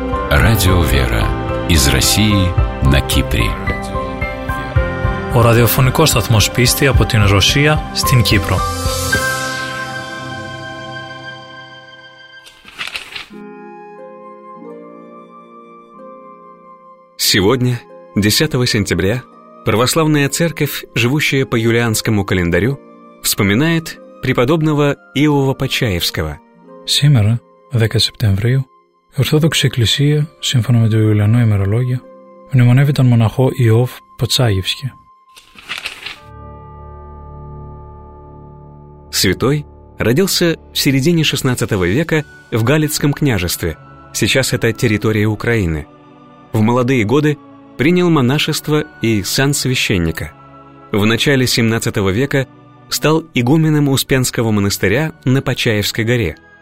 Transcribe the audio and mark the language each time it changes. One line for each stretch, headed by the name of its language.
Russian: Радио «Вера» из России на Кипре.
Greek: Ο ραδιοφωνικός σταθμός πίστη από την Ρωσία στην Κύπρο.
Russian: Сегодня, 10 сентября, Православная Церковь, живущая по юлианскому календарю, вспоминает преподобного Иова Почаевского. Сегодня, 10 сентября,
Greek: Ορθόδοξη Εκκλησία, σύμφωνα με το Ιουλιανό ημερολόγιο, μνημονεύει τον μοναχό Ιώβ Ποτσάγευσκι.
Russian: Святой родился в середине 16 века в Галицком княжестве, сейчас это территория Украины. В молодые годы принял монашество и сан священника. В начале 17 века стал игуменом Успенского монастыря на Почаевской горе.